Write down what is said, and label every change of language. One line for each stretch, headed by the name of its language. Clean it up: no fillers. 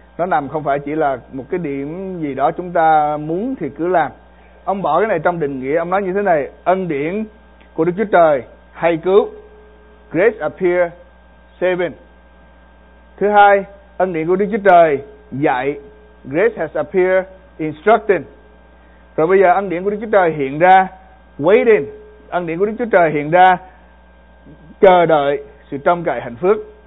Vietnamese: Nó nằm không phải chỉ là một cái điểm gì đó chúng ta muốn thì cứ làm. Ông bỏ cái này trong định nghĩa, ông nói như thế này: ân điển của Đức Chúa Trời hay cứu.
English: Grace appear saving.
Vietnamese: Thứ hai, ân điển của Đức Chúa Trời dạy.
English: Grace has appeared instructing.
Vietnamese: Rồi bây giờ ân điển của Đức Chúa Trời hiện ra.
English: Waiting.
Vietnamese: Ân điển của Đức Chúa Trời hiện ra, chờ đợi sự trông cậy hạnh phúc.